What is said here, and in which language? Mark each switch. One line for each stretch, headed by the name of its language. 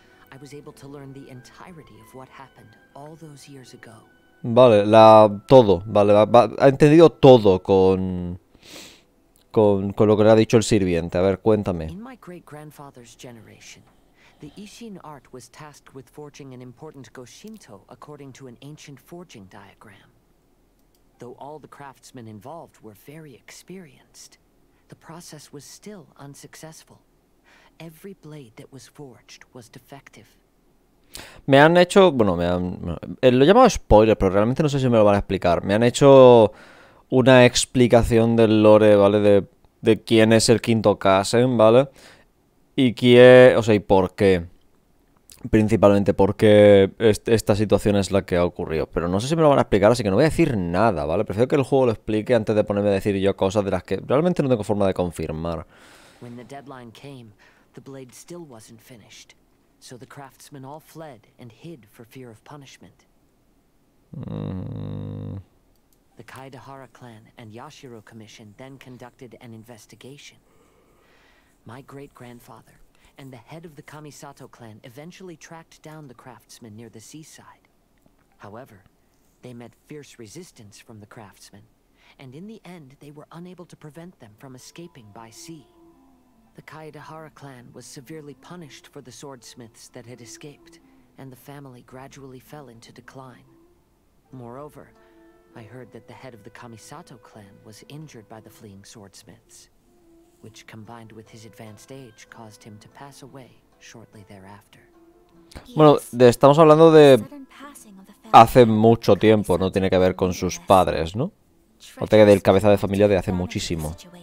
English: I was able to learn the entirety of what happened all those years ago.
Spanish: Vale, ha entendido todo con lo que le ha dicho el sirviente. A ver, cuéntame.
English: In my great grandfather's generation, the Ishin art was tasked with forging an important Goshinto according to an ancient forging diagram. Though all the craftsmen involved were very experienced, the process was still unsuccessful. Every blade that was forged was defective.
Spanish: Me han hecho, bueno, lo he llamado spoiler, pero realmente no sé si me lo van a explicar. Me han hecho una explicación del lore, ¿vale? De quién es el quinto Kasen, ¿vale? Y qué, o sea, y por qué. Principalmente porque esta situación es la que ha ocurrido. Pero no sé si me lo van a explicar, así que no voy a decir nada, ¿vale? Prefiero que el juego lo explique antes de ponerme a decir yo cosas de las que realmente no tengo forma de confirmar. Cuando la
English: deadline came, the blade still wasn't finished. So the craftsmen all fled and hid for fear of punishment. The Kaidahara clan and Yashiro Commission then conducted an investigation. My great-grandfather and the head of the Kamisato clan eventually tracked down the craftsmen near the seaside. However, they met fierce resistance from the craftsmen, and in the end, they were unable to prevent them from escaping by sea. The Kaidahara clan was severely punished for the swordsmiths that had escaped, and the family gradually fell into decline. Moreover, I heard that the head of the Kamisato clan was injured by the fleeing swordsmiths, which combined with his advanced age caused him to pass away shortly thereafter.
Spanish: Bueno, estamos hablando de hace mucho tiempo, no tiene que ver con sus padres, ¿no? O sea, que del cabeza de familia de hace muchísimo.